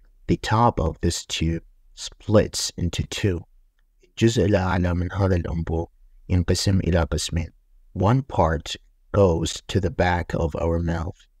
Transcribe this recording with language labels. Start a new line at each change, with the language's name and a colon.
English: The top of this tube splits into two.
Arabic: الجزء الأعلى من هذا الأنبوب ينقسم إلى قسمين.
English: One part goes to the back of our mouth.